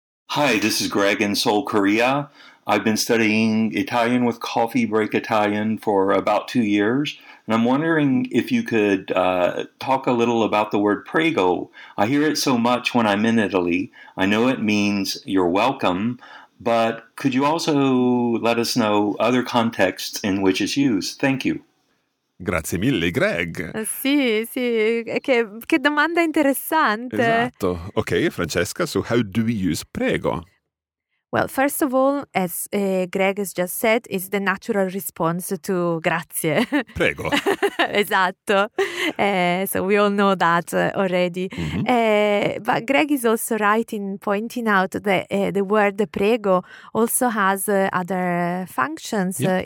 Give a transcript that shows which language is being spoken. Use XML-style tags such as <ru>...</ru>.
<en>Hi, this is Greg in Seoul, Korea. I've been studying Italian with Coffee Break Italian for about 2 years, and I'm wondering if you could talk a little about the word prego. I hear it so much when I'm in Italy. I know it means you're welcome, but could you also let us know other contexts in which it's used? Thank you.</en> <it>Grazie mille, Greg. Sì, sì. Che domanda interessante.</it> <en>Esatto. Okay, Francesca, so how do we use prego? Well, first of all, as Greg has just said, it's the natural response to grazie.</en> <it>Prego. Esatto.</it> <en>So we all know that already. Mm-hmm. But Greg is also right in pointing out that the word prego also has other functions. Yep.</en>